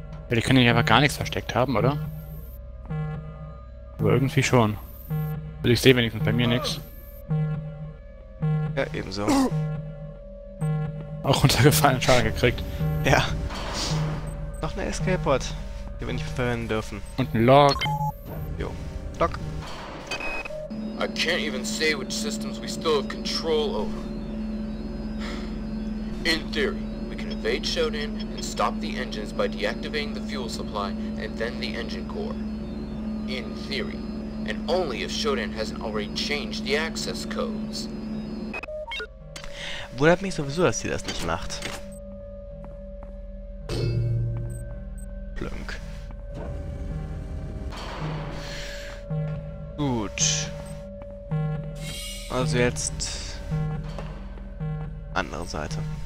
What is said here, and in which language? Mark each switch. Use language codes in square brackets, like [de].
[de] Ja, die können ja aber gar nichts versteckt haben, oder? Aber irgendwie schon. Also ich sehe wenigstens bei mir nichts. Ja, ebenso. Auch runtergefallen, Schaden gekriegt. Ja. Noch eine Escape-Pod, die wir nicht verwenden dürfen. Und ein Log. Jo. Log. [en] I can't even say which systems we still have control over. In theory. Evade Shodan and stop the engines by deactivating the fuel supply and then the engine core. In theory. And only if Shodan hasn't already changed the access codes. [de] Wundert mich sowieso, dass sie das nicht macht. Plunk. Gut. Also jetzt. Andere Seite.